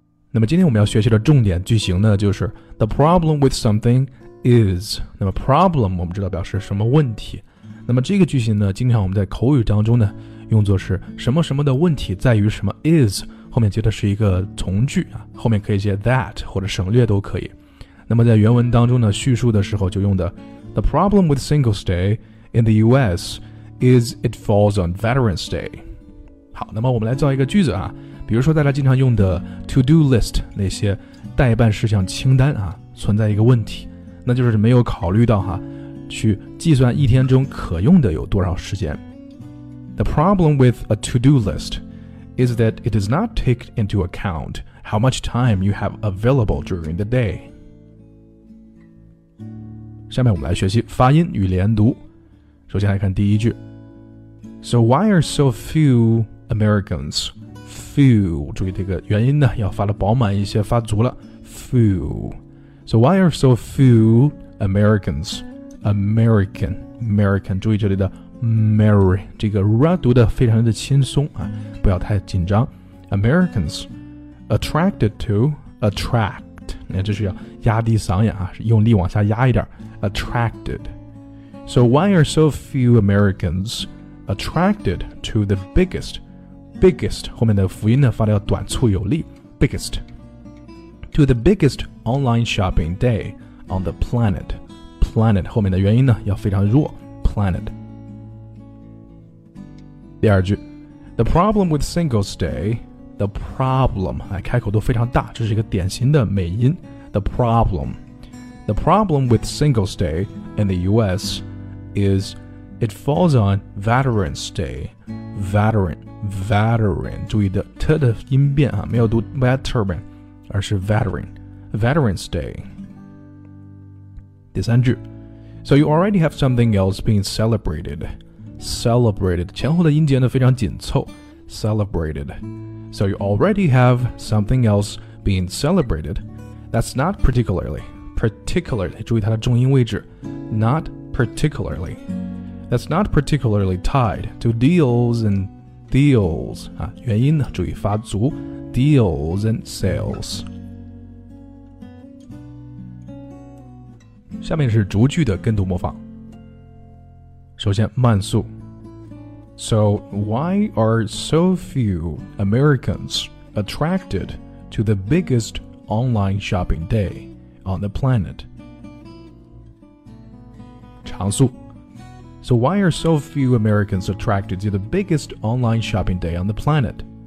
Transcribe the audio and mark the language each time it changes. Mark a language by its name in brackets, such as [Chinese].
[Chinese] 那么今天我们要学习的重点句型呢，就是 [English] The problem with something is, [Chinese] 那么 problem 我们知道表示什么问题。那么这个句型呢，经常我们在口语当中呢用作是什么什么的问题在于什么 is 后面接的是一个从句啊，后面可以接 that 或者省略都可以。那么在原文当中呢，叙述的时候就用的 [English] The problem with Singles Day in the US is it falls on Veterans Day。 [Chinese] 好，那么我们来造一个句子啊，比如说大家经常用的 to do list 那些代办事项清单啊，存在一个问题，那就是没有考虑到哈，去计算一天中可用的有多少时间。 [English] The problem with a to-do list is that it does not take into account how much time you have available during the day. [Chinese] 下面我们来学习发音与连读。首先来看第一句。 [English] So why are so few Americans? [Chinese] Few, 注意这个元音呢，要发的饱满一些，发足了。 [English] Few. So why are so few Americans? [Chinese] American, 注意这里的。Mary, 这个 ra 读得非常的轻松啊，不要太紧张。 [English] Americans attracted to, [Chinese] 那这是要压低嗓音啊，用力往下压一点。 [English] Attracted. So why are so few Americans attracted to the biggest, [Chinese] 后面的辅音呢发得要短促有力。 [English] Biggest. To the biggest online shopping day on the planet. [Chinese] Planet, 后面的元音呢要非常弱。Planet. 第二句 [English] The problem with Singles Day The problem、 [Chinese] 哎、开口都非常大，这是一个典型的美音。 [English] The problem with Singles Day in the US is it falls on Veterans Day. [Chinese] Veteran 注意的 T 的音变、啊、没有读 Veteran 而是 Veteran. [English] Veterans Day. 第三句 So you already have something else being celebrated, [Chinese] 前后的音节呢非常紧凑。 [English] Celebrated. So you already have something else being celebrated. That's not particularly. [Chinese] Particularly, 注意它的重音位置。 [English] Not particularly. That's not particularly tied to deals and deals.、 [Chinese] 啊、原因呢注意发足。 [English] Deals and sales. [Chinese] 下面是逐句的跟读模仿。首先慢速。 [English] So why are so few Americans attracted to the biggest online shopping day on the planet. 常数 So why are so few Americans attracted to the biggest online shopping day on the planet?